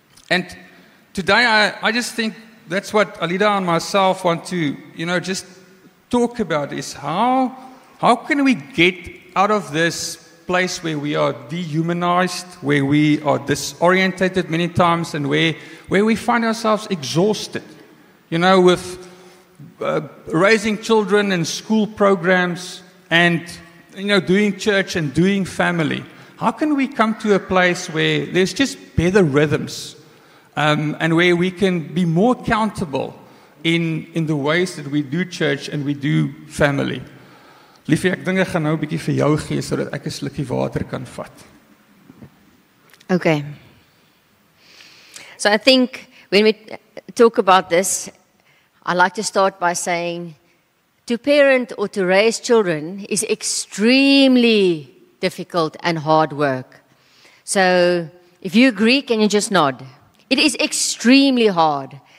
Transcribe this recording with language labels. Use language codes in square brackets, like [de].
[en] And today I just think that's what Alida and myself want to, you know, just talk about, is how can we get out of this place where we are dehumanized, where we are disorientated many times, and where we find ourselves exhausted, you know, with raising children and school programs and, you know, doing church and doing family. How can we come to a place where there's just better rhythms? And where we can be more accountable in the ways that we do church and we do family. [af] Liefie, ek dink ek gaan nou 'n bietjie vir jou gee sodat ek 'n slukkie water kan vat. [en] Okay. So I think when we talk about this, I like to start by saying to parent or to raise children is extremely difficult and hard work. So if you agree, can you just nod? It is extremely hard